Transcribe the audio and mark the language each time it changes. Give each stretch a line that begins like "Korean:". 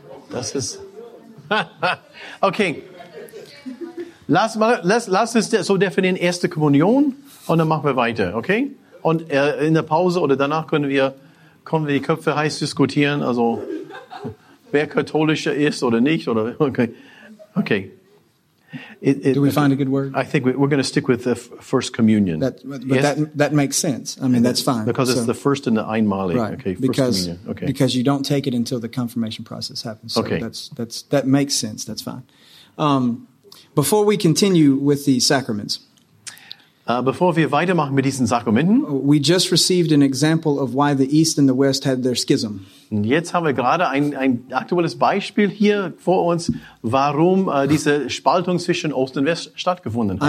German: Das ist... okay, lass uns so definieren, erste Kommunion, und dann machen wir weiter, okay? Und in der Pause oder danach können wir die Köpfe heiß diskutieren, also wer katholischer ist oder nicht, oder okay.
English: Do we find a good word? I think we're going to stick with the first communion. That makes sense. I mean, that's fine. Because it's the first and the einmalig. Right. Okay, first because, communion. Okay. Because you don't take it until the confirmation process happens. So okay. That makes sense. That's fine. Before we continue with the sacraments.
German: Bevor wir weitermachen mit diesen Sakramenten.
English: We just received an example of why the East and the West had their schism.
German: Jetzt haben wir gerade ein aktuelles Beispiel hier vor uns, warum diese Spaltung zwischen Ost und West stattgefunden hat.